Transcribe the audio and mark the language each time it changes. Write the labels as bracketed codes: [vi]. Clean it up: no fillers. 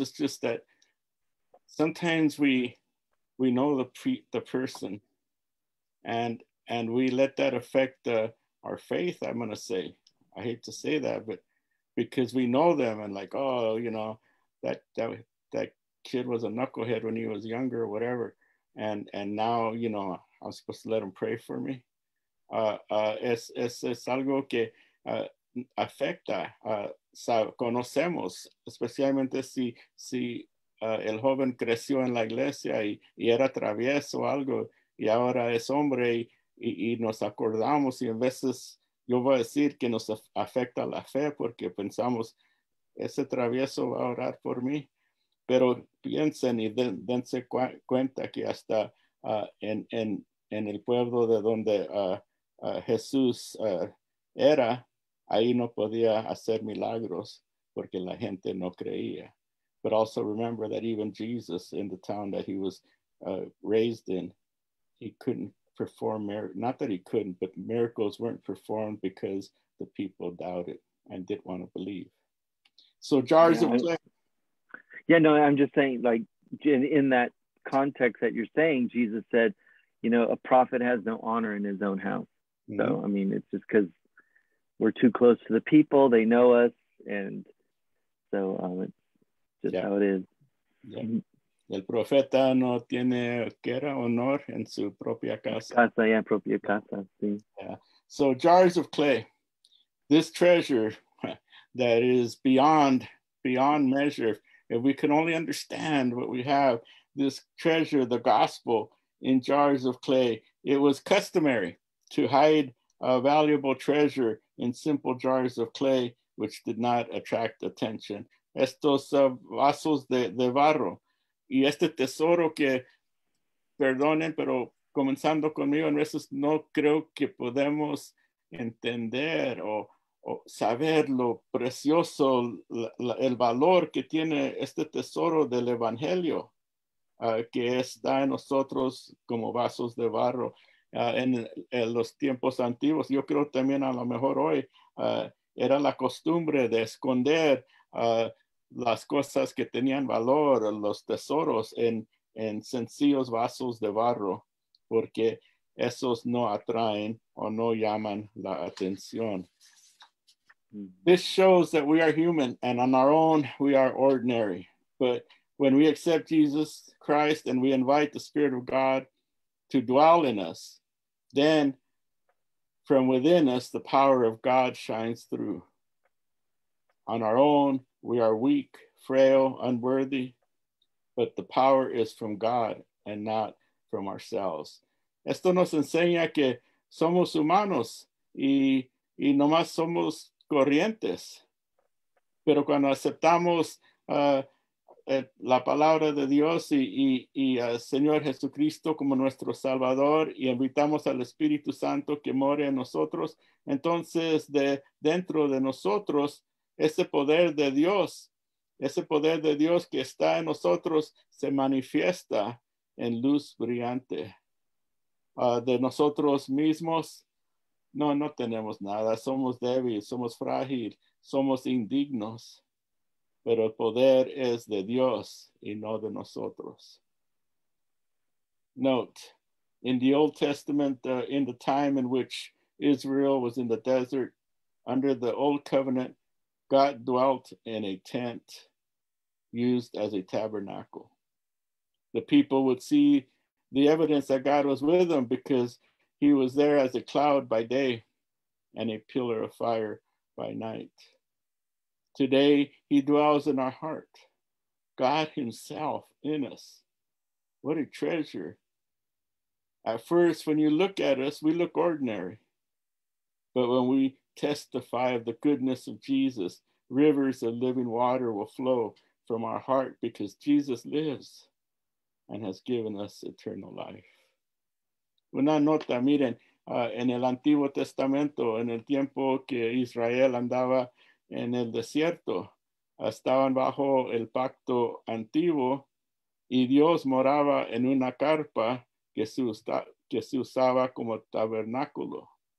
[en] It's just that sometimes we know the person, and we let that affect our faith. I'm going to say, I hate to say that, but because we know them, and like, oh, you know, that kid was a knucklehead when he was younger or whatever. And now, you know, I'm supposed to let him pray for me. [es] Es algo que afecta, conocemos, especialmente si el joven creció en la iglesia y era travieso algo, y ahora es hombre y nos acordamos, y a veces yo voy a decir que nos afecta la fe porque pensamos, ese travieso va a orar por mí, pero piensen y dense cuenta que hasta en el pueblo de donde Jesús era, ahí no podía hacer milagros porque la gente no creía. [en] But also remember that even Jesus, in the town that he was raised in, he couldn't perform miracles. Not that he couldn't, but miracles weren't performed because the people doubted and didn't want to believe. So jars of clay. Yeah, no, I'm just saying, like, in that context that you're saying, Jesus said, you know, a prophet has no honor in his own house. So, I mean, it's just because we're too close to the people. They know us. And so it's just how it is. Yeah. [es] El profeta no tiene que era honor en su propia casa. Casa, [en] yeah, [es] propia casa, sí. [en] Yeah. So jars of clay, this treasure that is beyond measure. If we can only understand what we have, this treasure, the gospel in jars of clay, it was customary to hide a valuable treasure in simple jars of clay, which did not attract attention. [es] Estos vasos de barro. Y este tesoro que, perdonen, pero comenzando conmigo, en veces no creo que podemos entender o saber lo precioso, el valor que tiene este tesoro del evangelio, que está en nosotros como vasos de barro. En los tiempos antiguos, yo creo también a lo mejor hoy, era la costumbre de esconder las cosas que tenían valor, los tesoros, en sencillos vasos de barro, porque esos no atraen o no llaman la atención. [en] This shows that we are human, and on our own, we are ordinary. But when we accept Jesus Christ and we invite the Spirit of God to dwell in us, then from within us, the power of God shines through. On our own, we are weak, frail, unworthy, but the power is from God and not from ourselves. [es] Esto nos enseña que somos humanos y nomás somos corrientes. Pero cuando aceptamos la palabra de Dios y al Señor Jesucristo como nuestro Salvador y invitamos al Espíritu Santo que more en nosotros, entonces de dentro de nosotros, ese poder de Dios que está en nosotros se manifiesta en luz brillante. De nosotros mismos, no tenemos nada, somos débiles, somos frágiles, somos indignos. Pero el poder es de Dios y no de nosotros. [en] Note, in the Old Testament, in the time in which Israel was in the desert, under the Old Covenant, God dwelt in a tent used as a tabernacle. The people would see the evidence that God was with them because he was there as a cloud by day and a pillar of fire by night. Today, he dwells in our heart, God himself in us. What a treasure. At first, when you look at us, we look ordinary. But when we testify of the goodness of Jesus, rivers of living water will flow from our heart because Jesus lives and has given us eternal life. [es] Una nota, miren, en el Antiguo Testamento, en el tiempo que Israel andaba en el desierto, estaban bajo el pacto antiguo y Dios moraba en una carpa que se usaba como tabernáculo.